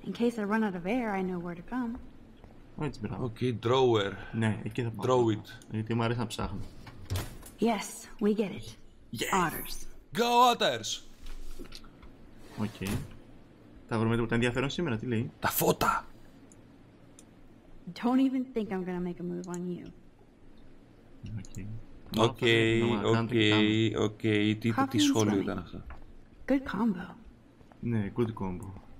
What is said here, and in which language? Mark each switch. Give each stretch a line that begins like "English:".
English: In case I run out of air, I know where to come.
Greek: Έτσι, μπράβο.
English: Okay, drawer.
Greek: Ναι, εκεί θα πάω.
English: Draw it.
Greek: Γιατί μου αρέσει να ψάχνω.
English: Yes, we get it. Yes. Otters. Go Otters! Okay.
Greek: Θα βρούμε τίποτα ενδιαφέρον σήμερα, τι λέει? Τα φώτα!
English: Don't even think I'm gonna make a move on you. Okay.
Greek: Οκ. Τι σχόλιο ήταν αυτό?
English: Good combo.
Greek: Ναι,
English: good combo.